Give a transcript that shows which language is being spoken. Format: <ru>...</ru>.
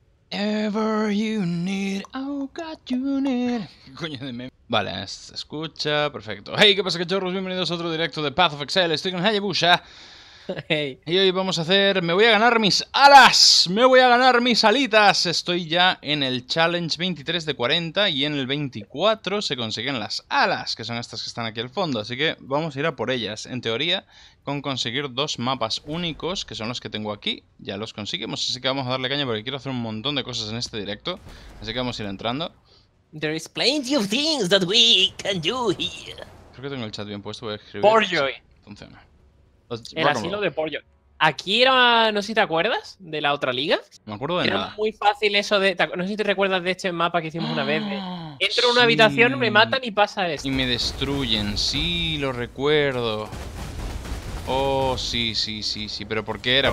<en>Ever you need, oh god, you need.</en> <es>¿Qué coño de meme? Vale, se escucha, perfecto. Hey, ¿qué pasa, cachorros? Bienvenidos a otro directo de Path of Exile. Estoy con Hayabusa. Hey. Y hoy vamos a hacer... ¡Me voy a ganar mis alas! ¡Me voy a ganar mis alitas! Estoy ya en el Challenge 23 de 40 y en el 24 se consiguen las alas, que son estas que están aquí al fondo. Así que vamos a ir a por ellas. En teoría, con conseguir dos mapas únicos, que son los que tengo aquí, ya los conseguimos. Así que vamos a darle caña porque quiero hacer un montón de cosas en este directo. Así que vamos a ir entrando.</es> <en>There is plenty of things that we can do here.</en> <es>Creo que tengo el chat bien puesto, voy a escribir. Porjoy. Funciona. El asilo de Porjoy. Aquí era, no sé si te acuerdas, de la otra liga. Me acuerdo de era nada. Era muy fácil eso de... No sé si te recuerdas de este mapa que hicimos una vez. Entro en una habitación, me matan y pasa esto. Y me destruyen, sí, lo recuerdo. Oh, sí. ¿Pero por qué era?</es>